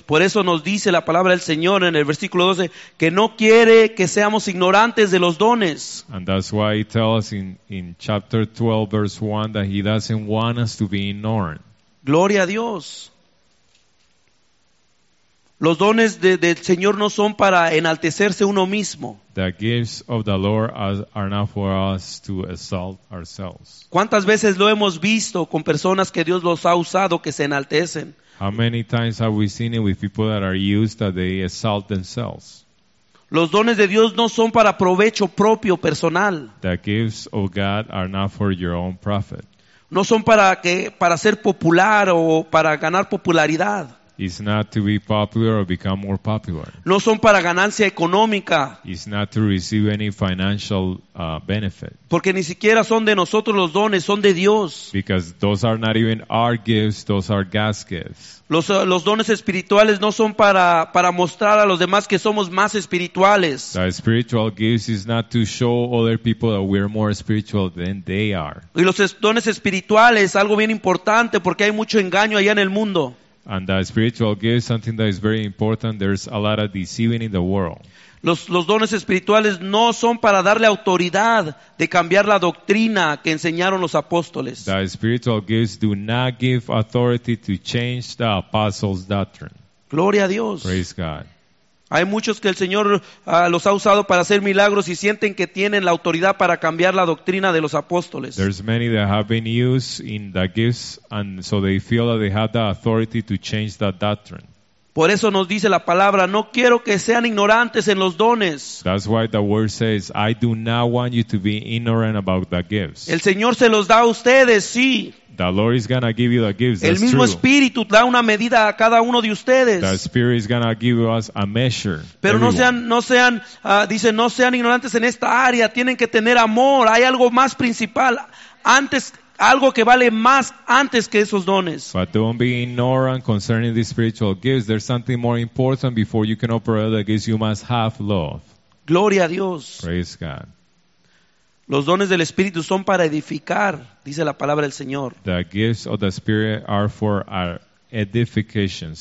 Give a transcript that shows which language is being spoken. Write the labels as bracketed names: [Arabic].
[Spanish] Por eso nos dice la palabra del Señor en el versículo 12 que no quiere que seamos ignorantes de los dones. [English] And that's why he tells us in chapter 12 verse 1 that he doesn't want us to be ignorant. [Spanish] Gloria a Dios. Los dones del Señor no son para enaltecerse uno mismo. [English] The gifts of the Lord are not for us to exalt ourselves. [Spanish] ¿Cuántas veces lo hemos visto con personas que Dios los ha usado que se enaltecen? [English] How many times have we seen it with people that are used that they exalt themselves? [Spanish] Los dones de Dios no son para provecho propio personal. [English] The gifts of God are not for your own profit. [Spanish] No son para ser popular o para ganar popularidad. [English] It's not to be popular or become more popular. [Spanish] No son para ganancia económica. [English] It's not to receive any financial benefit. [Spanish] Porque ni siquiera son de nosotros los dones, son de Dios. [English] Because those are not even our gifts, those are God's gifts. [Spanish] Los dones espirituales no son para mostrar a los demás que somos más espirituales. [English] The spiritual gifts is not to show other people that we're more spiritual than they are. [Spanish] Y los dones espirituales, algo bien importante, porque hay mucho engaño allá en el mundo. [English] And the spiritual gift is something that is very important. There's a lot of deceiving in the world. [Spanish] Los dones espirituales no son para darle autoridad de cambiar la doctrina que enseñaron los apóstoles. [English] The spiritual gifts do not give authority to change the apostles' doctrine. [Spanish] Gloria a Dios. [English] Praise God. [Spanish] Hay muchos que el Señor los ha usado para hacer milagros y sienten que tienen la autoridad para cambiar la doctrina de los apóstoles. [English] There's many that have been used in the gifts and so they feel that they have the authority to change that doctrine. [Spanish] Por eso nos dice la palabra, no quiero que sean ignorantes en los dones. [English] That's why the word says, I do not want you to be ignorant about the gifts. [Spanish] El Señor se los da a ustedes, sí. [English] The Lord is going to give you the gifts. [Spanish] El mismo Espíritu da una medida a cada uno de ustedes. [English] The Spirit is going to give us a measure. [Spanish] Pero no sean, no sean ignorantes en esta área. Tienen que tener amor. Hay algo más principal. Antes, algo que vale más antes que esos dones. [English] But don't be ignorant concerning the spiritual gifts. There's something more important before you can operate the gifts. You must have love. [Spanish] Gloria a Dios. [English] Praise God. [Spanish] Los dones del Espíritu son para edificar, dice la palabra del Señor. [English] The gifts of the Spirit are for our edification.